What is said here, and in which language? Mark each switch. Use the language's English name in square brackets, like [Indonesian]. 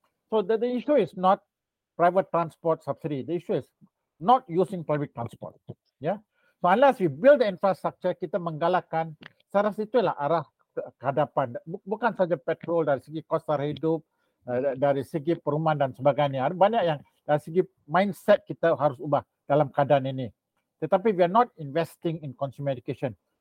[English] So the issue is not private transport subsidy. The issue is not using public transport. So unless we build the infrastructure, [Malay] kita menggalakkan, secara situlah arah kehadapan, bukan saja petrol dari segi kos sara hidup, dari segi perumahan dan sebagainya. Ada banyak yang dari segi mindset kita harus ubah dalam keadaan ini. [English] Tetapi we are not investing in consumer education.